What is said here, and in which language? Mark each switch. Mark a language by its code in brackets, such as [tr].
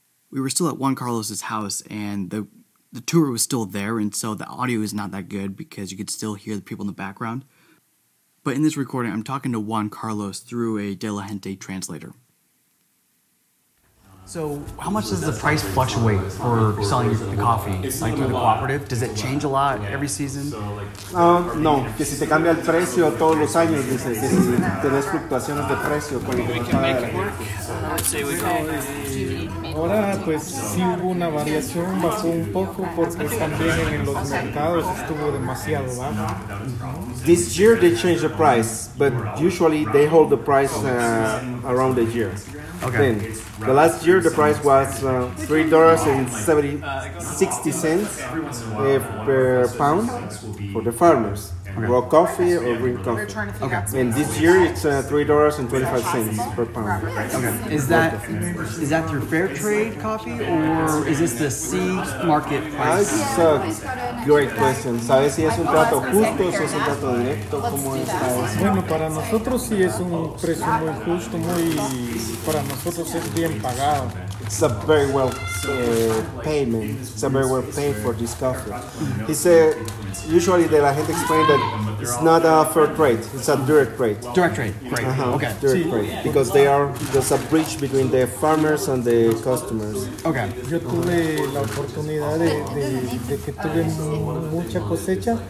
[en] We were still at Juan Carlos's house, and the tour was still there, and so the audio is not that good because you could still hear the people in the background. But in this recording, I'm talking to Juan Carlos through a De La Gente translator. So how much does the price fluctuate for selling the coffee, like through the cooperative? Does it change a lot every season? [es] No, que si te cambia el precio todos los años, dice, que si tienes fluctuaciones de precio. [en] We can make it work. Let's say we go. [es] Ahora, pues, sí hubo una variación, bajó un poco, porque también en los mercados estuvo demasiado bajo. [en] This year they changed the price, but usually they hold the price around the year. Okay. Then, the last year the price was $3.60 per pound for the farmers. Okay. Raw coffee or green coffee. Okay. And this year it's $3.25 per pound. Okay. Is that through fair trade coffee or is this the C market price? That's a great question. [es] ¿Sabes si es un trato justo o es un trato directo? ¿Cómo está eso? Bueno, para nosotros sí es un precio muy justo, muy para nosotros es bien pagado. [en] It's a very well payment. It's a very well paid for this coffee. He said, usually the agent explained that it's not a fair trade. It's a direct trade. Direct trade. Great. Uh-huh. Okay. Direct trade. Because they are just a bridge between the farmers and the customers. Okay. [es] Yo tuve la oportunidad de que tuve mucha cosecha.